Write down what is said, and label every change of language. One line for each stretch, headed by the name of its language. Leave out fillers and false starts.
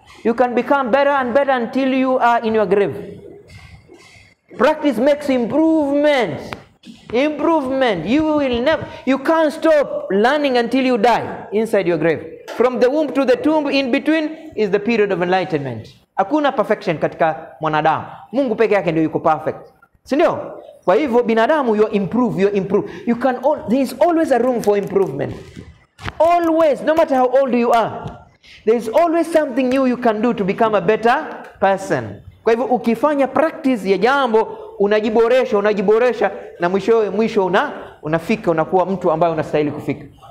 English: You can become better and better until you are in your grave. Practice makes improvement. Improvement. You can't stop learning until you die inside your grave. From the womb to the tomb, in between, is the period of enlightenment.
Swahili: Hakuna perfection katika mwanadamu. Mungu peke yake ndio yuko perfect. Sindio? Kwa hivyo binadamu
English: you improve. You can all, there is always a room for improvement. Always, no matter how old you are, there is always something new you can do to become a better person.
Swahili: Kwa hivyo ukifanya practice ya jambo, unajiboresha na mwisho unafika, unakuwa mtu ambaye unastahili kufika.